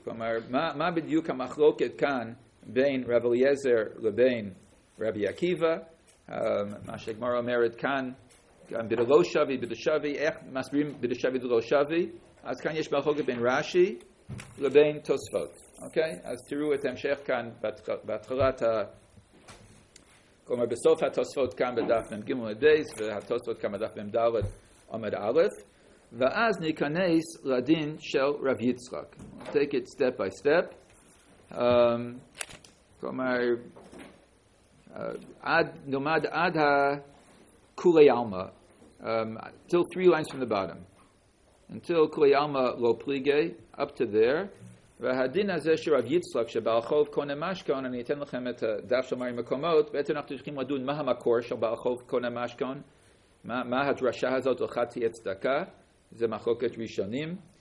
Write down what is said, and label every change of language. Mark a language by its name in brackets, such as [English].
[Hebrew] כלומר, מה בדיוק המחלוקת כאן בין רב אליעזר לבין רבי עקיבא, מה שהגמרא אומרת כאן, גם בדלא שווי, בדלא שווי, איך מסבירים בדלא שווי, בדלא שווי, אז כאן יש מחלוקת בין רש"י לבין תוספות, אוקיי? אז תראו את ההמשך כאן בהתחלת, כלומר בסוף התוספות כאן בדף מ"ג ובייס, והתוספות כאן בדף מ"ד עמוד א', ואז ניכנס לדין של רב יצחק. [English] We'll take it step by step. [Hebrew] כלומר, עד הכולי עלמא, [English] till three lines from the bottom. [Hebrew] Until כולי עלמא לא פליגי, [English] up to there. [Hebrew] והדין הזה של רב יצחק, שבעל חוב קונה משכון, אני אתן לכם את הדף של מרים מקומות, בעצם אנחנו צריכים לדון מה המקור של בעל חוב קונה משכון, מה הדרשה הזאת, אחת תהיה צדקה, זה מחלוקת ראשונים.